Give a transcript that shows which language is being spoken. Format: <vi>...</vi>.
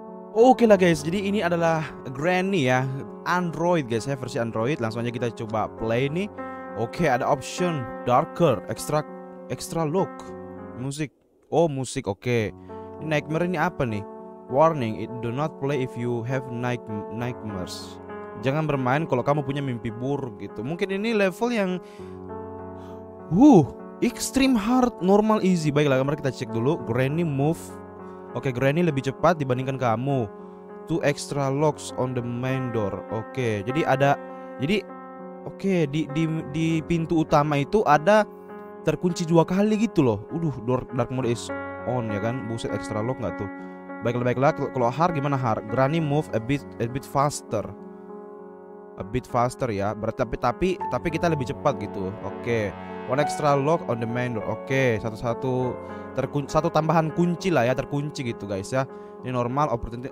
<id>Oke lah guys, jadi ini adalah Granny ya, Android guys ya, versi Android. Langsung aja kita coba play nih. Oke, ada option darker, extra look, musik. Oh musik, oke. Ini nightmare ini apa nih?</id> <en>Warning, it do not play if you have nightmares.</en> <id>Jangan bermain kalau kamu punya mimpi buruk gitu. Mungkin ini level yang extreme hard, normal easy. Baiklah, mari kita cek dulu Granny move. Oke, Granny lebih cepat dibandingkan kamu.</id> <en>Two extra locks on the main door.</en> <id>Oke, jadi ada, jadi oke, di pintu utama itu ada terkunci dua kali gitu loh. Aduh,</id> <en>door dark mode is on</en> <id>ya kan. Buset, extra lock enggak tuh. Baiklah, kalau hard gimana hard?</id> <en>Granny move a bit faster. A bit faster ya.</en> <id>Tapi kita lebih cepat gitu. Oke. Okay.</id> <en>One extra lock on the main door.</en> <id>Oke, okay. Satu tambahan kunci lah ya, terkunci gitu guys ya. Ini normal opportunity.</id>